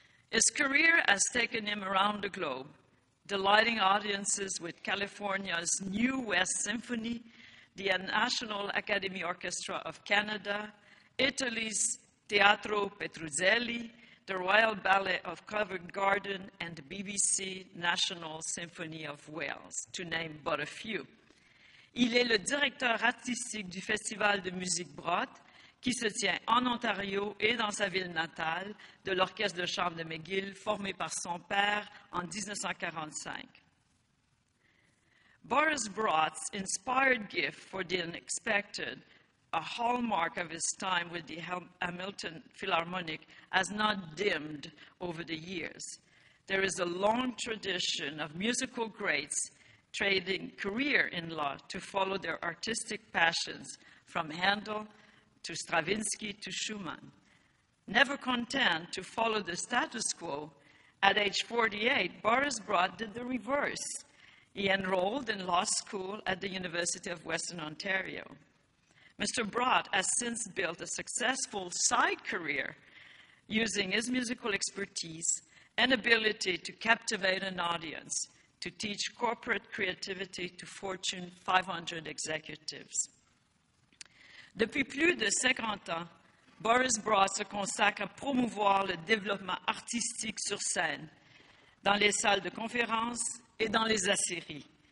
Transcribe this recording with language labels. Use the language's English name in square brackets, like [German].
[English] His career has taken him around the globe, delighting audiences with California's New West Symphony, the National Academy Orchestra of Canada, Italy's Teatro Petruzzelli, the Royal Ballet of Covent Garden, and the BBC National Symphony of Wales, to name but a few. [French] Il est le directeur artistique du Festival de musique Brott, qui se tient en Ontario et dans sa ville natale, de l'Orchestre de chambre de McGill, formé par son père en 1945. [English] Boris Broad's inspired gift for the unexpected, a hallmark of his time with the Hamilton Philharmonic, has not dimmed over the years. There is a long tradition of musical greats trading career in law to follow their artistic passions, from Handel to Stravinsky to Schumann. Never content to follow the status quo, at age 48, Boris Broad did the reverse. He enrolled in law school at the University of Western Ontario. Mr. Broad has since built a successful side career using his musical expertise and ability to captivate an audience to teach corporate creativity to Fortune 500 executives. [French] Depuis plus de 50 ans, Boris Broad se consacre à promouvoir le développement artistique sur scène, dans les salles de conférences et dans les acéries.